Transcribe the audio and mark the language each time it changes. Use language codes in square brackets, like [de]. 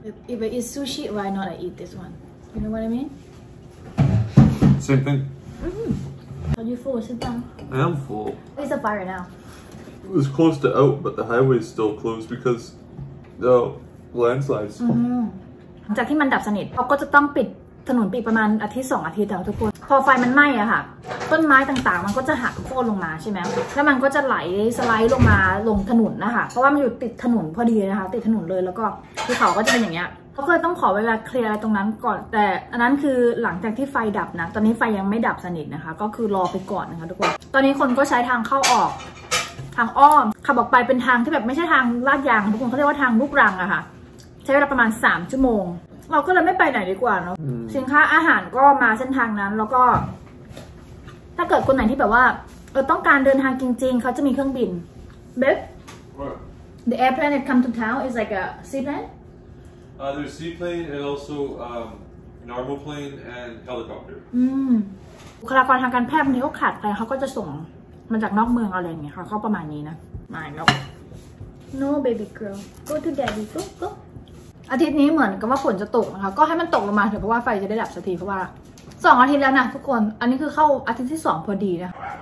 [en] If I eat sushi, why not I eat this one? You know what I mean? Same thing. Mm-hmm. Are you full? Sit down. I am full. It's a fire now. It was close to out, but the highway is still closed because the landslides. Mm-hmm. [th] จากที่มันดับสนิทเขาก็จะต้องปิดถนนปีประมาณอาทิตย์สองอาทิตย์แล้วทุกคนพอไฟมันไหม้อะค่ะต้นไม้ต่างๆมันก็จะหักโค่นลงมาใช่ไหมแล้วมันก็จะไหลสไลด์ลงมาลงถนนนะคะเพราะว่ามันอยู่ติดถนนพอดีนะคะติดถนนเลยแล้วก็ภูเขาก็จะเป็นอย่างเงี้ยเขาเคยต้องขอเวลาเคลียร์ตรงนั้นก่อนแต่อันนั้นคือหลังจากที่ไฟดับนะตอนนี้ไฟยังไม่ดับสนิทนะคะก็คือรอไปก่อนนะคะทุกคนตอนนี้คนก็ใช้ทางเข้าออก ทางอ้อมขับออกไปเป็นทางที่แบบไม่ใช่ทางลาดยางทุกคนเขาเรียกว่าทางลูกรังอะค่ะใช้เวลาประมาณ3ชั่วโมงเราก็เลยไม่ไปไหนดีกว่าเนาะสินค้าอาหารก็มาเส้นทางนั้นแล้วก็ถ้าเกิดคนไหนที่แบบว่าต้องการเดินทางจริงๆเขาจะมีเครื่องบินเบฟ [en] The airplane that come to town is like a seaplane There's seaplane and also normal plane and helicopter. [th] บุคลากรทางการแพทย์นี่ก็ขาดไปเขาก็จะส่งมาจากนอกเมืองอะไรอย่างเงี้ยค่ะเขาประมาณนี้นะมาแล้ว [en] No baby girl go to daddy go go [th] อาทิตย์นี้เหมือนกับว่าฝนจะตกนะคะก็ให้มันตกลงมาเถอะเพราะว่าไฟจะได้ดับสักทีเพราะว่า2อาทิตย์แล้วนะทุกคนอันนี้คือเข้าอาทิตย์ที่2พอดีนะ